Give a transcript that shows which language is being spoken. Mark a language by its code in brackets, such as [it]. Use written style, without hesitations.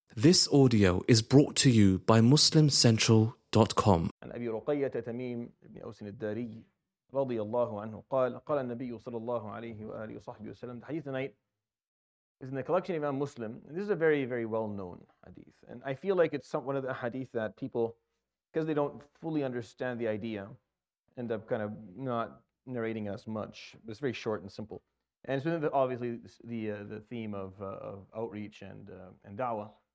[en] This audio is brought to you by MuslimCentral.com. [ar] عن أبي رقية تميم بن أوس الداري رضي الله عنه قال قال النبي صلى الله عليه وآله وصحبه وسلم. [en] The hadith tonight is in the collection of Imam Muslim. This is a very, very well-known hadith. And I feel like it's one of the hadith that people, because they don't fully understand the idea, end up kind of not narrating as much. It's very short and simple. And it's within obviously the theme of outreach and da'wah.